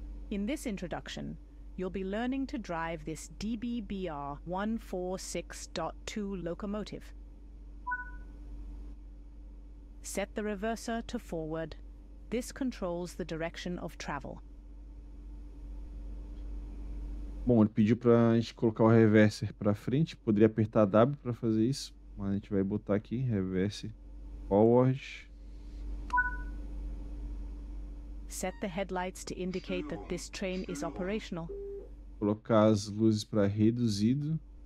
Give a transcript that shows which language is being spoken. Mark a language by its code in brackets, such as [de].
[en] In this introduction, you'll be learning to drive this DBBR-146.2 locomotive. Set the reverser to forward. This controls the direction of travel. [pt] Bom, ele pediu para a gente colocar o reverser para frente. Poderia apertar W para fazer isso, mas a gente vai botar aqui [en] reverse forward. Set the headlights to indicate that this train is operational. [pt] Colocar as luzes para reduzido.